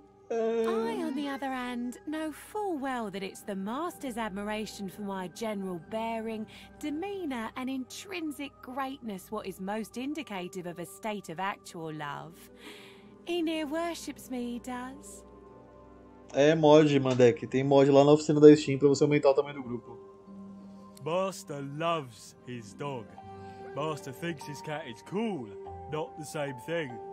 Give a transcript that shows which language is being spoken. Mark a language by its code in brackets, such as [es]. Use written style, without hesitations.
[en] I, on the other hand, know full well that it's the master's admiration for my general bearing, demeanor, and intrinsic greatness what is most indicative of a state of actual love. He near worships me, he does. [pt] É mod, Mandek. Tem mod lá na oficina da Steam pra você aumentar o tamanho do grupo. [en] Master loves his dog. Master thinks his cat is cool, not the same thing.